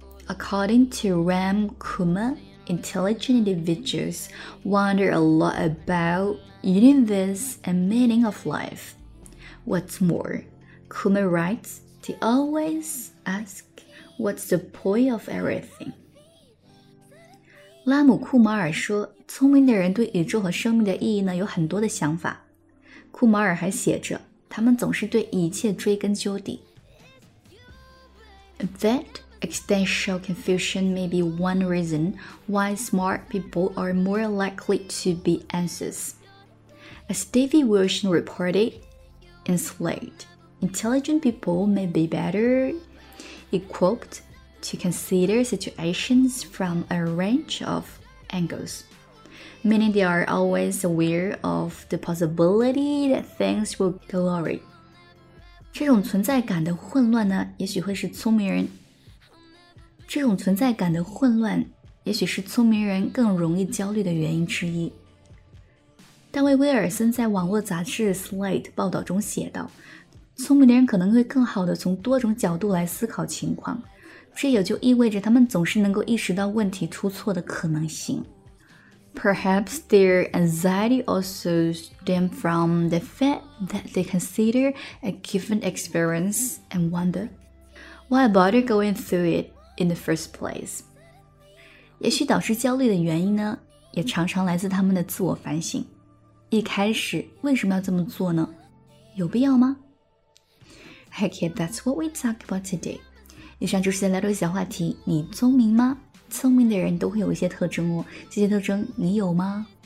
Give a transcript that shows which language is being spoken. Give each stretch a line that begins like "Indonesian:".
English: According to Ram KumarIntelligent individuals wonder a lot about universe and meaning of life. What's more, Kumar writes, they always ask, what's the point of everything?
Chinese: 拉姆·库马尔说，聪明的人对宇宙和生命的意义呢，有很多的想法。库马尔还写着，他们总是对一切追根究底。
English: Existential confusion may be one reason why smart people are more likely to be anxious. As David Wilson reported in Slate, intelligent people may be better equipped to consider situations from a range of angles, meaning they are always aware of the possibility that things will go awry.
Chinese: 这种存在感的混乱呢，也许会是聪明人这种存在感的混乱也许是聪明人更容易焦虑的原因之一。大卫·威尔森在网络杂志 Slate 报道中写道，聪明的人可能会更好地从多种角度来思考情况，这也就意味着他们总是能够意识到问题出错的可能性。
English: Perhaps their anxiety also stem from the fact that they consider a given experience and wonder why bother going through itIn the first place.
Chinese: 也许导致焦虑的原因呢，也常常来自他们的自我反省。一开始为什么要这么做呢？有必要吗？
English: Okay, that's what we talk about today.
Chinese: 以上就是来到小话题，你聪明吗？聪明的人都会有一些特征哦，这些特征你有吗？